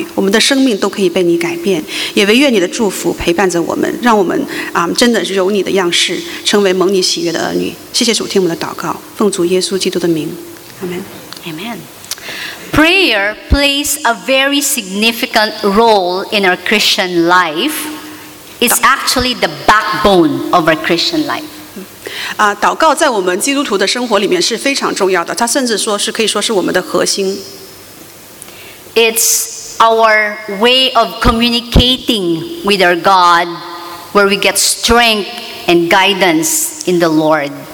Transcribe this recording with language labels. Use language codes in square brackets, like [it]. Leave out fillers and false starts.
[zh] 亲爱的天父，我们感谢你今天给我们这样的一个机会，求你的圣灵来充满我们这个教会，充满这个我们今天的这样的一个敬拜的信息。主啊，我们求你的圣灵来帮助我们，打开我们的眼睛，打开我们的耳朵，打开我们的心灵，让我们能听见你的话语。主啊，我们求你的圣灵来带领我们，让我们每一个在这里的人离开这里的时候，我们都会听到你的话语，我们的生命都可以被你改变，也唯愿你的祝福 陪伴着我们，让我们真的是有你的样式，成为蒙你喜悦的儿女。谢谢主，听我们的祷告，奉主耶稣基督的名，阿门。阿门。 [en] Prayer plays a very significant role in our Christian life. It's actually the backbone of our Christian life. [zh] 祷告在我们基督徒的生活里面是非常重要的，它甚至说是可以说是我们的核心。 [en] It's our way of communicating with our God, where we get strength and guidance in the Lord.